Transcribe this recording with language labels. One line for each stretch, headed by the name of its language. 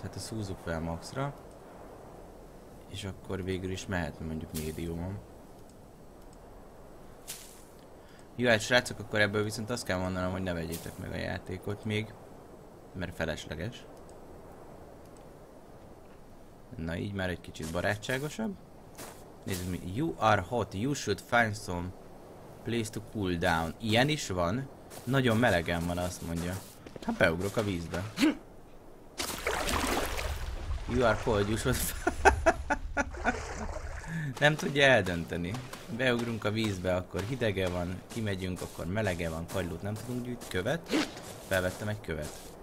Hungarian: Hát ezt húzzuk fel maxra. És akkor végül is mehet, mondjuk médiumon. Jó, hát srácok, akkor ebből viszont azt kell mondanom, hogy ne vegyétek meg a játékot még. Mert felesleges. Na, így már egy kicsit barátságosabb. Nézd, mi.
English: You are hot, you should find some place to cool down.
Hungarian: Ilyen is van. Nagyon melegen van, azt mondja. Hát beugrok a vízbe.
English: You are cold, you should...
Hungarian: Nem tudja eldönteni. Beugrunk a vízbe, akkor hidege van, kimegyünk, akkor melege van, kagylót nem tudunk gyűjt. Követ. Felvettem egy követ.